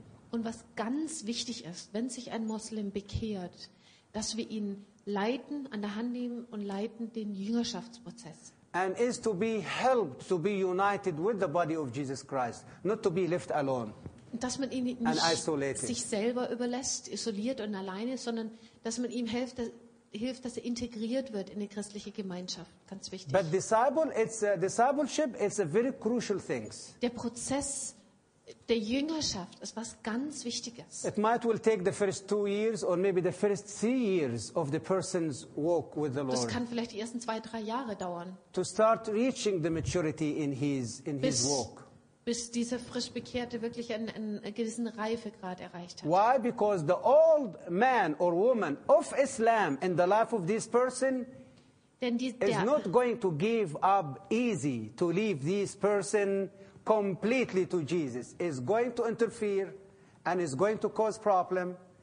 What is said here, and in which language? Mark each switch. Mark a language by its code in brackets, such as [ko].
[de] Und was ganz wichtig ist, wenn sich ein Moslem bekehrt, dass wir ihn leiten, an der Hand nehmen und leiten den Jüngerschaftsprozess. [en] And is to be helped to be united with the body of Jesus Christ, not to be left alone. [de] Dass man ihn nicht sich selber überlässt, isoliert und alleine, sondern dass man ihm hilft, dass er integriert wird in die christliche Gemeinschaft. Ganz wichtig. [en] But discipleship is a very crucial thing. [de] Der Prozess der Jüngerschaft ist was ganz Wichtiges. [en] It might will take the first 2 years or maybe the first 3 years of the person's walk with the Lord. [de] Das kann vielleicht die ersten 2-3 Jahre dauern. [en] To start reaching the maturity in his walk. [de] Bis dieser frisch Bekehrte wirklich einen gewissen Reifegrad erreicht hat. [en] Why? Because the old man or woman of Islam in the life of this person is not going to give up easy to leave this person completely to Jesus. Is going to interfere and is going to cause problem.